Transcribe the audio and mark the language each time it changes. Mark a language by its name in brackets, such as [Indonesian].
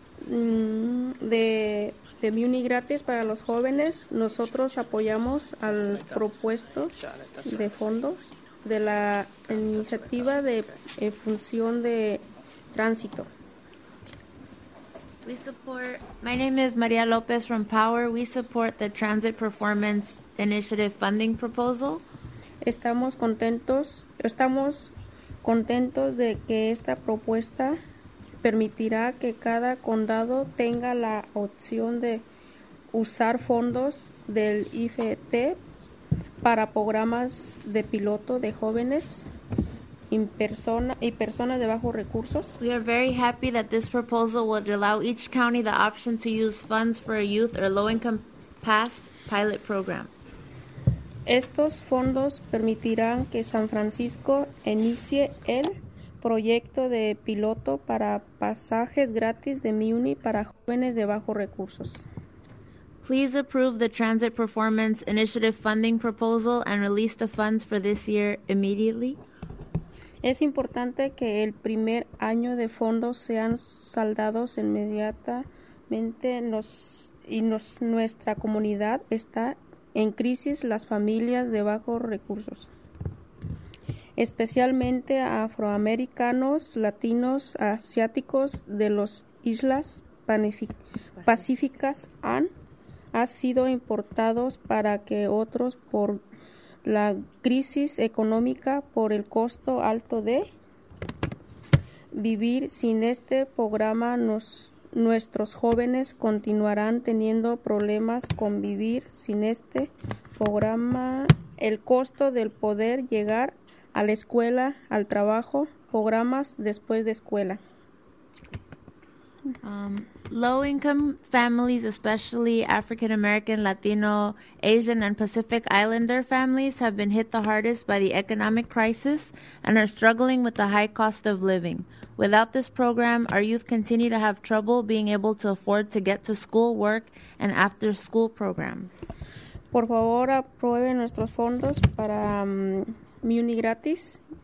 [Spanish] De Muni Gratis para los jóvenes, nosotros apoyamos al propuesto de fondos de la iniciativa de función de tránsito. [English] We support, my name is Maria Lopez from POWER. We support the transit performance initiative funding proposal. [Spanish] Estamos contentos de que esta propuesta permitirá que cada condado tenga la opción de usar fondos del IFT para programas de piloto de jóvenes y personas de bajos recursos. [English] We are very happy that this proposal would allow each county the option to use funds for a youth or low-income pass pilot program. [Spanish] Estos fondos permitirán que San Francisco inicie el proyecto de piloto para pasajes gratis de Muni para jóvenes de bajos recursos. [English] Please approve the Transit Performance Initiative funding proposal and release the funds for this year immediately. [Spanish] Es importante que el primer año de fondos sean saldados inmediatamente nuestra comunidad está en crisis las familias de bajos recursos, especialmente afroamericanos, latinos, asiáticos de las islas pacíficas han sido importados para que otros por la crisis económica por el costo alto de vivir sin este programa nuestros jóvenes continuarán teniendo problemas con vivir sin este programa, el costo del poder llegar a la escuela, al trabajo, programas después de escuela. [English] Low-income families, especially African American, Latino, Asian, and Pacific Islander families, have been hit the hardest by the economic crisis and are struggling with the high cost of living. Without this program, our youth continue to have trouble being able to afford to get to school, work, and after-school programs. [Spanish] Por favor, aprueben nuestros fondos para Muni Gratis.